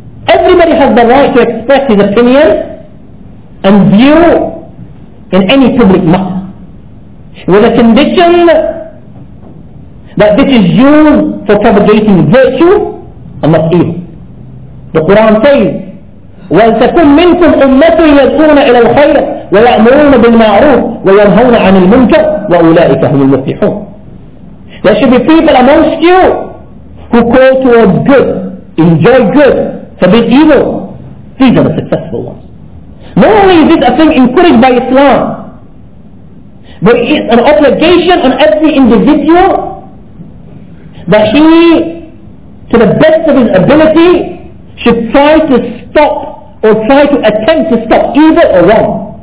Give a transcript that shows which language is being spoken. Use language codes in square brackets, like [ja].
[en] Everybody has the right to express his opinion and view in any public matter, with a condition that this is used for propagating virtue and not evil. The Quran says, [ar] وَلْتَكُمْ مِنْكُمْ أُمَّةٌ يَدْخُونَ إِلَى الْخَيْرَ وَيَأْمُرُونَ بِالْمَعْرُوفِ وَيَنْهَوْنَ عَنِ الْمُنْكَرِ وَأُولَٰئِكَ هُمُ الْمُفْلِحُونَ. [en] There should be people amongst you who call towards good, enjoy good, forbid evil. These are the successful ones. Not only is this a thing encouraged by Islam, but it's an obligation on every individual that he, to the best of his ability, should try to stop or try to attempt to stop evil or wrong.